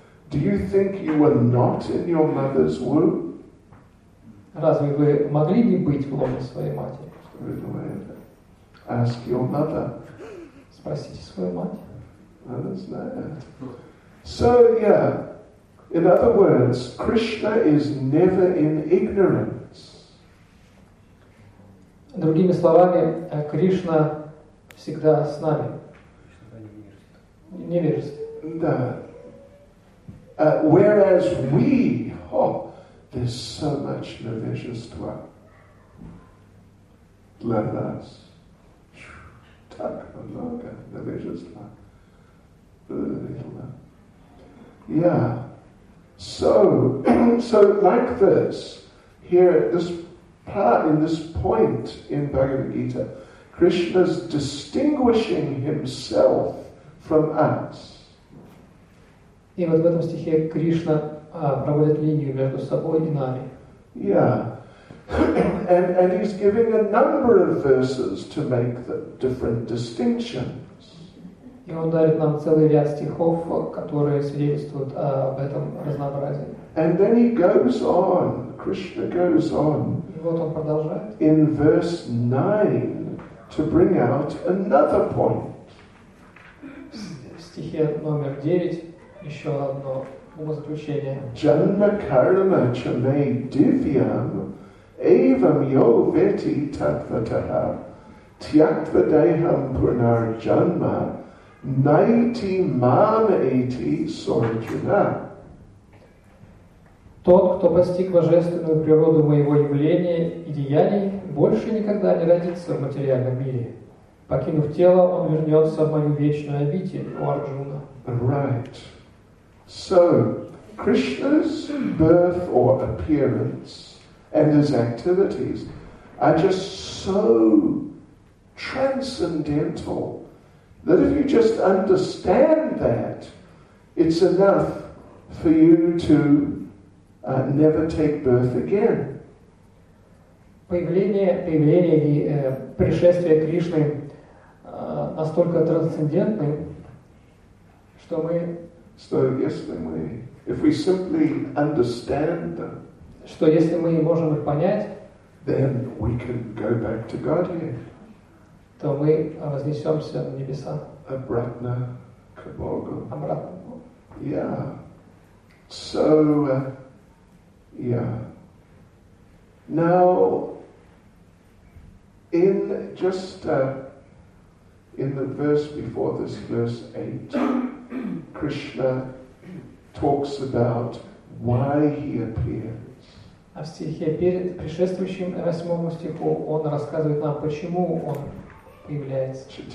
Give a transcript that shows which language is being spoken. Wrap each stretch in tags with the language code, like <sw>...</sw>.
<en>Do you think you were not in your mother's womb?</en> <ru>Разве вы могли не быть в лоне своей матери?</ru> <en>Ask your mother.</en> <ru>Спросите свою мать.</ru> <en>Mother's there. So yeah, in other words, Krishna is never in ignorance.</en> <ru>Другими словами, Кришна всегда с нами. Не верится.</ru> <en>Да. Whereas we, oh, there's so much Navishastva. Let us. Tak, Loka, Navishastva. Yeah. So like this, here at this part, in this point in Bhagavad Gita, Krishna's distinguishing himself from us.</en> <ru>И вот в этом стихе Кришна проводит линию между собой и нами.</ru> <en>Yeah. And he's giving a number of verses to make the different distinctions.</en> <ru>И он дарит нам целый ряд стихов, которые свидетельствуют об этом разнообразии.</ru> <en>And then he goes on, Krishna goes on.</en> <ru>И вот он продолжает.</ru> <en>In verse 9 to bring out another point.</en> <ru>В стихе номер 9. Еще одно умозаключение.</ru> <sa>Janma karma cha me divyam evam yo veti tatvataha tyaktva deham punar janma naiti mam eti sorjuna.</sa> <ru>Тот, кто постиг божественную природу моего явления и деяний, больше никогда не родится в материальном мире. Покинув тело, он вернется в мою вечную обитель, у Арджуна.</ru> <en>Right. So, Krishna's birth or appearance and his activities are just so transcendental that if you just understand that, it's enough for you to never take birth again.</en> <ru>Появление и пришествие Кришны настолько трансцендентны, что мы что если мы можем их понять,</ru> <en>then we can go back to Godhead,</en> <ru>то мы вознесемся на небеса. Обратно к Богу. Обратно к Богу.</ru> <en>Yeah. So, yeah. Now, in the verse before this, verse 8, Krishna talks about why he appears.</en> <ru>А в стихе перед предшествующим восьмому стиху он рассказывает нам, почему он является.</ru>